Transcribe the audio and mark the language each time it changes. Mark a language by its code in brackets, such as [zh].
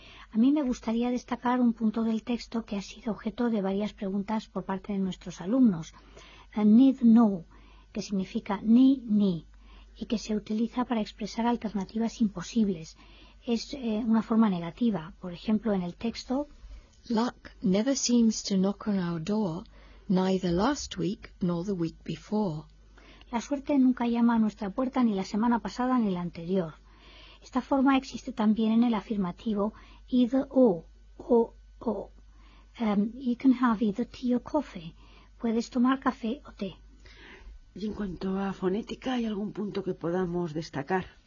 [es] A mí me gustaría destacar un punto del texto que ha sido objeto de varias preguntas por parte de nuestros alumnos. Need no, que significa ni, y que se utiliza para expresar alternativas imposibles. Es una forma negativa. Por ejemplo, en el texto, [en] luck never seems to knock on our door, neither last week nor the week before. [es] La suerte nunca llama a nuestra puerta ni la semana pasada ni la anterior. Esta forma existe también en el afirmativo, either or. [en] You can have either tea or coffee. [es] Puedes tomar café o té. Y en cuanto a fonética, ¿hay algún punto que podamos destacar?